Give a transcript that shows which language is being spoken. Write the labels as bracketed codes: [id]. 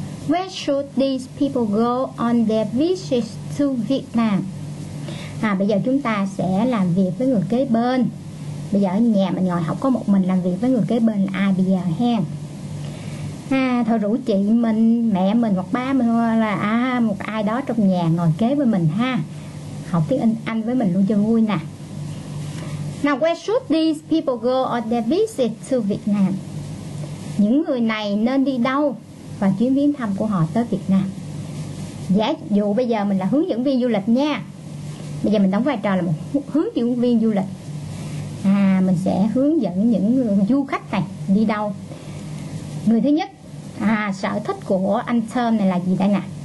[en] Where should these people go on their visits to Vietnam? [vi] Bây giờ chúng ta sẽ làm việc với người kế bên. Bây giờ ở nhà mình ngồi học có một mình làm việc với người kế bên là ai bây giờ ha? Thôi rủ chị mình, mẹ mình hoặc ba mình hoặc là một ai đó trong nhà ngồi kế với mình ha. Học tiếng Anh với mình luôn cho vui nè. [en] Now where should these people go on their visit to Vietnam? [vi] Những người này nên đi đâu và chuyến viếng thăm của họ tới Việt Nam? Giả dụ bây giờ mình là hướng dẫn viên du lịch nha. Bây giờ mình đóng vai trò là một hướng dẫn viên du lịch. Mình sẽ hướng dẫn những du khách này đi đâu. Người thứ nhất, sở thích của anh Tom này là gì đây nè?